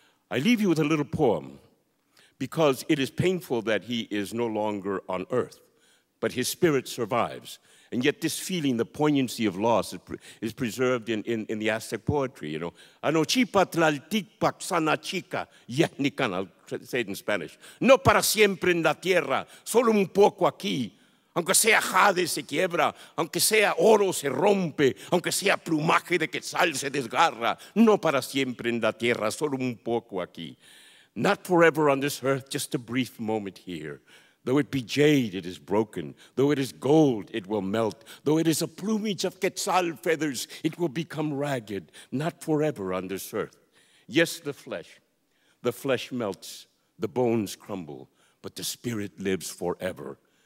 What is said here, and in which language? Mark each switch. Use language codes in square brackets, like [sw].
[en] I leave you with a little poem, because it is painful that he is no longer on earth, but his spirit survives. And yet this feeling, the poignancy of loss, is preserved in the Aztec poetry, you know. [nah] Anochipatlaltikpak sanachika yetnikan, [en] I'll say it in Spanish. [es] No para siempre en la tierra, solo un poco aquí. Aunque sea jade se quiebra, aunque sea oro se rompe, aunque sea plumaje de quetzal se desgarra. No para siempre en la tierra, solo un poco aquí. [en] Not forever on this earth, just a brief moment here. Though it be jade, it is broken. Though it is gold, it will melt. Though it is a plumage of quetzal feathers, it will become ragged. Not forever on this earth. Yes, the flesh melts, the bones crumble, but the spirit lives forever.